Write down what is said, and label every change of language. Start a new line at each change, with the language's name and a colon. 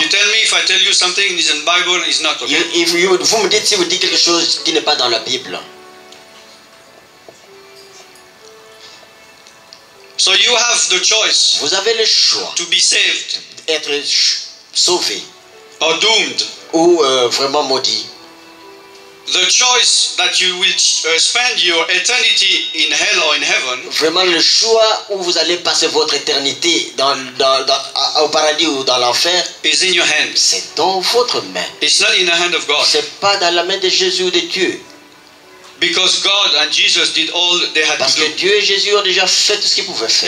English: You tell me if I tell you something is in the Bible, it's not okay.
French: Vous me dites si vous dites quelque chose qui n'est pas dans la Bible.
English: So you have the choice.
French: Vous avez le choix.
English: To be saved.
French: Être sauvé.
English: Or doomed.
French: Ou vraiment maudit.
English: The choice that you will spend your eternity in hell or in heaven.
French: Vraiment le choix où vous allez passer votre éternité au paradis ou dans l'enfer.
English: Is in your hand.
French: C'est dans votre main.
English: It's not in the hand of God.
French: C'est pas dans la main de Jésus ou de Dieu.
English: Because God and Jesus did all they had
French: parce
English: to do.
French: Parce que Dieu et Jésus ont déjà fait tout ce qu'ils pouvaient faire.